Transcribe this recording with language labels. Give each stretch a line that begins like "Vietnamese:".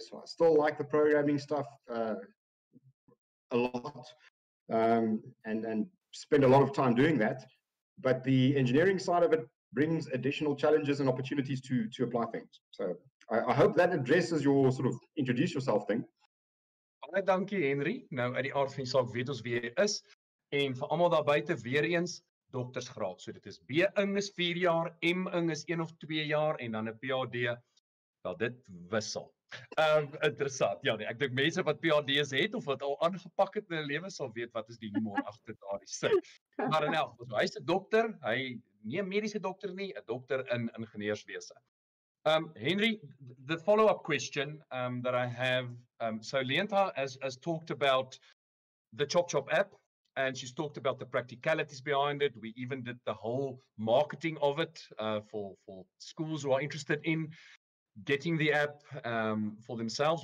English: So I still like the programming stuff a lot and spend a lot of time doing that. But the engineering side of it brings additional challenges and opportunities to apply things. So I hope that addresses your sort of introduce yourself thing.
Afrikaans: Baie dankie, Henri. Nou, uit die aard van die saak weet ons wie jy is. En vir almal daar buite, weer eens, doktersgraad. So dit is B-ing is 4 jaar, M-ing is 1 of 2 jaar, en dan 'n PhD. Wel, dit wissel. Interessant. Ja, nee, ek dink mense wat PhDs het of wat al aangepak het in hulle lewe sal weet wat is die humor agter daardie sin. Maar in elk geval, hy is 'n dokter, hy nie 'n mediese dokter nie, 'n dokter in ingenieurswese.
English: Henri, the follow-up question that I have, so Leenta has talked about the Chop Chop app, and she's talked about the practicalities behind it. We even did the whole marketing of it for schools who are interested in getting the app for themselves.